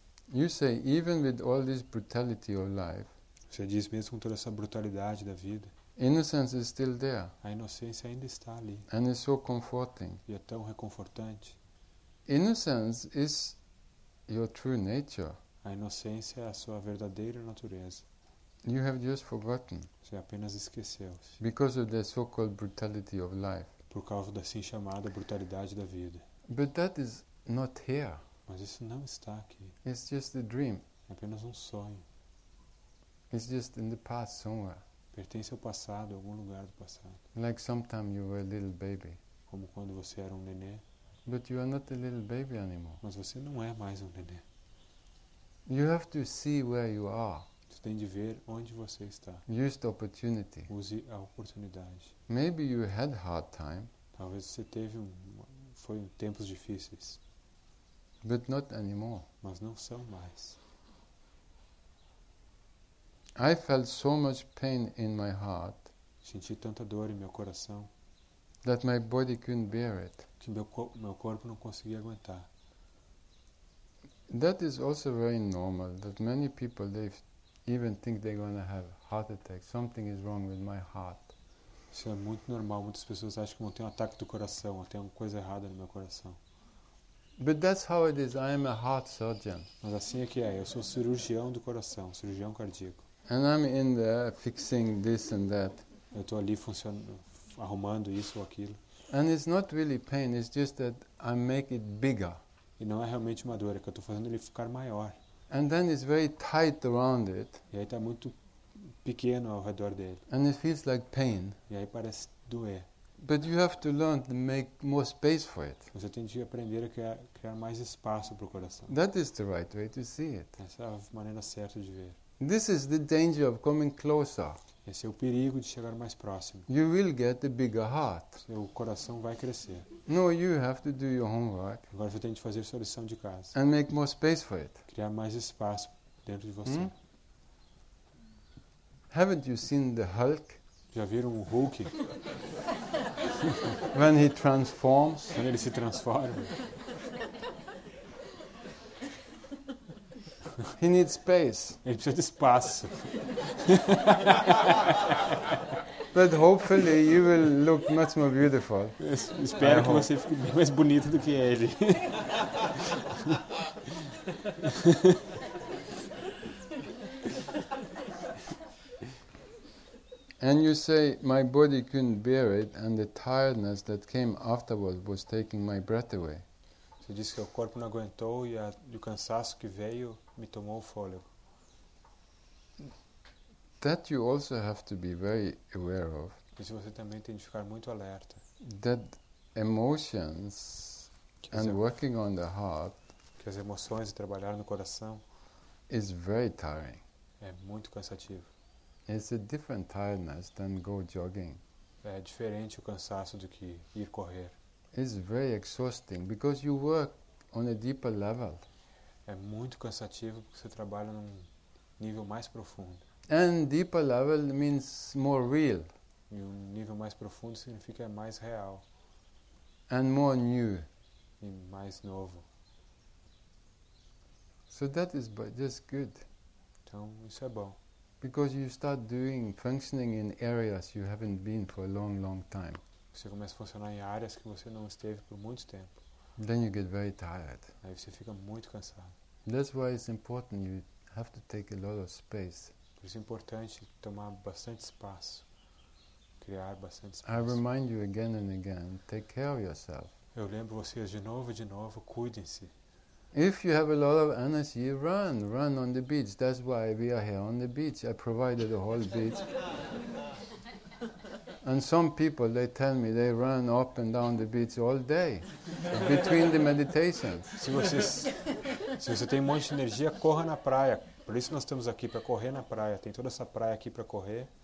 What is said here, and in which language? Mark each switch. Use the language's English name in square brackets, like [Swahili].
[English] You say, even with all this brutality of life, [Portuguese] você diz mesmo com toda essa brutalidade da vida, [English] innocence is still there. [Portuguese] A inocência ainda está ali. [English] And it's so comforting. [Portuguese] E é tão reconfortante. [English] Innocence is your true nature. [Portuguese] A inocência é a sua verdadeira natureza. [English] You have just forgotten. [Portuguese] Você apenas esqueceu-se. [English] Because of the so-called brutality of life. [Portuguese] Por causa da assim chamada brutalidade da vida. [English] But that is not here. [Portuguese] Mas isso não está aqui. [English] It's just a dream. [Portuguese] É apenas um sonho. [English] It's just in the past somewhere. [Portuguese] Pertence ao passado, algum lugar do passado. [English] Like sometime you were a little baby. [Portuguese] Como quando você era um nenê. [English] But you are not a little baby anymore. [Portuguese] Mas você não é mais um nenê. [English] You have to see where you are. [Portuguese] Você momento tem de ver onde você está. [English] Use the opportunity. [Portuguese] Use a oportunidade. [English] Maybe you had hard time. [Portuguese] Talvez você teve foi tempos difíceis. [English] But not anymore. [Portuguese] Mas não são mais. [English] I felt so much pain in my heart. [Portuguese] Senti tanta dor em meu coração. [English] That my body couldn't bear it. [Portuguese] Que meu corpo não conseguia aguentar. [English] That is also very normal that many people they even think they're going to have heart attack. Something is wrong with my heart. [Portuguese] Isso é muito normal, muitas pessoas acham que vão ter um ataque do coração, ou tem alguma coisa errada no meu coração. [English] But that's how it is. I am a heart surgeon. [Portuguese] Mas assim é que é, eu sou cirurgião do coração, cirurgião cardíaco. [English] And I'm in there fixing this and that. [Portuguese] Eu tô ali arrumando isso ou aquilo. [English] And it's not really pain, it's just that I make it bigger. [Portuguese] E não é realmente uma dor, é que eu estou fazendo ele ficar maior. [English] And then it's very tight around it. [Portuguese] E aí está muito pequeno ao redor dele. [English] And it feels like pain. [Portuguese] E aí parece doer. [English] But you have to learn to make more space for it. [Portuguese] Você tem que aprender a criar mais espaço para o coração. [English] That is the right way to see it. [Portuguese] Essa é a maneira certa de ver. [English] This is the danger of coming closer. [Portuguese] Esse é o perigo de chegar mais próximo. [English] You will get a bigger heart. [Portuguese] Seu coração vai crescer. [English] No, you have to do your homework. [Portuguese] Agora você tem que fazer sua lição de casa. [English] And make more space for it. [Portuguese] Criar mais espaço dentro de você. [English] Haven't you seen the Hulk? [Portuguese] Já viram o Hulk? [English] When he transforms. [Portuguese] Quando ele se transforma. [English] He needs space. [Portuguese] Ele precisa de espaço. [English] But hopefully you will look much more beautiful. [Portuguese] Espero que você fique mais bonito do que ele. [English] And you say my body couldn't bear it and the tiredness that came afterward was taking my breath away. [Portuguese] Você disse que o corpo não aguentou e o cansaço que veio me tomou o fôlego. [English] That you also have to be very aware of. [Portuguese] Isso você também tem de ficar muito alerta. [English] That emotions and working on the heart. [Portuguese] Que as emoções e trabalhar no coração. [English] Is very tiring. [Portuguese] É muito cansativo. [English] It's a different tiredness than go jogging. [Portuguese] É diferente o cansaço do que ir correr. [English] It's very exhausting because you work on a deeper level. [Portuguese] É muito cansativo porque você trabalha num nível mais profundo. [English] And deeper level means more real. [Portuguese] E um nível mais profundo significa mais real. [English] And more new. [Portuguese] E mais novo. [English] So that is just good. [Portuguese] Então isso é bom. [English] Because you start doing functioning in areas you haven't been for a long, long time. [Portuguese] Você começa a funcionar em áreas que você não esteve por muito tempo. [English] Then you get very tired. [Portuguese] Aí você fica muito cansado. [English] That's why it's important you have to take a lot of space. [Portuguese] Por isso é importante tomar bastante espaço. Criar bastante espaço. [English] I remind you again and again, take care of yourself. [Portuguese] Eu lembro vocês de novo, cuidem-se. [English] If you have a lot of energy, run on the beach. That's why we are here on the beach. I provided the whole beach. And some people, they tell me, they run up and down the beach all day, between the meditations. [Portuguese] Se você tem um monte de energia, corra na praia. Por isso nós estamos aqui, para correr na praia. Tem toda essa praia aqui para correr.